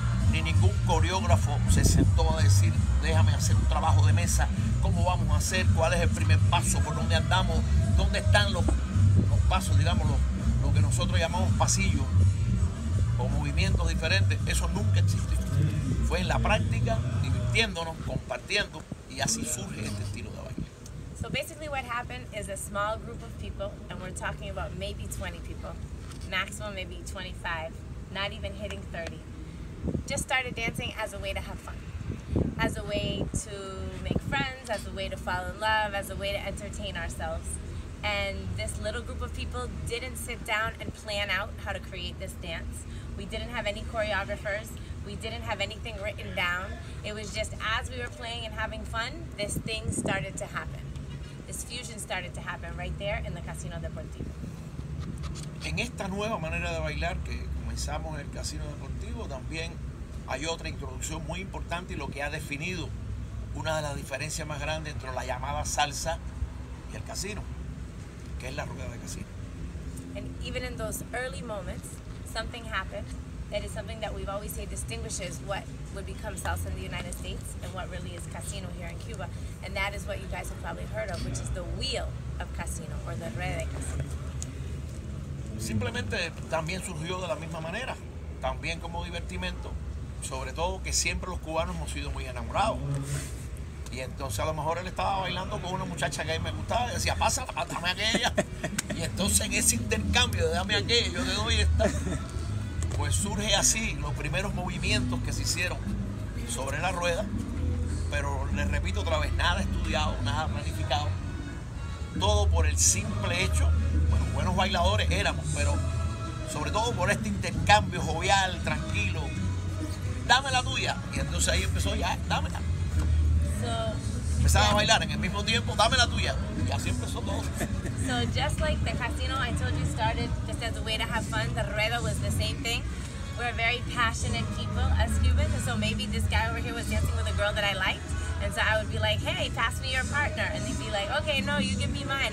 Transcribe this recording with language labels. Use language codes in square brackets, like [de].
[es] ni ningún coreógrafo se sentó a decir, déjame hacer un trabajo de mesa, cómo vamos a hacer, cuál es el primer paso, por dónde andamos, dónde están los pasos, digamos, lo que nosotros llamamos pasillos o movimientos diferentes. Eso nunca existió. Fue en la práctica, divirtiéndonos, compartiendo, y así surge este estilo de baile. [en] So basically what happened is a small group of people, and we're talking about maybe 20 people, maximum maybe 25, not even hitting 30, just started dancing as a way to have fun, as a way to make friends, as a way to fall in love, as a way to entertain ourselves. And this little group of people didn't sit down and plan out how to create this dance. We didn't have any choreographers. We didn't have anything written down. It was just as we were playing and having fun, this thing started to happen. This fusion started to happen right there in the Casino Deportivo. [es] En esta nueva manera de bailar que comenzamos en el Casino Deportivo, también hay otra introducción muy importante, y lo que ha definido una de las diferencias más grandes entre la llamada salsa y el casino, que es la rueda de casino. [en] And even in those early moments, something happened that is something that we've always said distinguishes what would become salsa in the United States and what really is casino here in Cuba. And that is what you guys have probably heard of, which is the wheel of casino, or the rueda de casino. [es] Simplemente también surgió de la misma manera, también como divertimento, sobre todo que siempre los cubanos hemos sido muy enamorados. Y entonces a lo mejor él estaba bailando con una muchacha que a mí me gustaba y decía, pasa, dame aquella. Y entonces en ese intercambio de dame aquella, yo te doy esta, pues surge así los primeros movimientos que se hicieron sobre la rueda. Pero les repito otra vez, nada estudiado, nada planificado. Todo por el simple hecho, bueno, buenos bailadores éramos, pero sobre todo por este intercambio jovial, tranquilo, dame la tuya. Y entonces ahí empezó ya, dámela. Empezaba a bailar en el mismo tiempo, dame la tuya. Y así empezó todo. [en] So just like the casino I told you started just as a way to have fun, the rueda was the same thing. We're very passionate people as Cubans, and so maybe this guy over here was dancing with a girl that I liked. And so I would be like, hey, pass me your partner. And they'd be like, okay, no, you give me mine.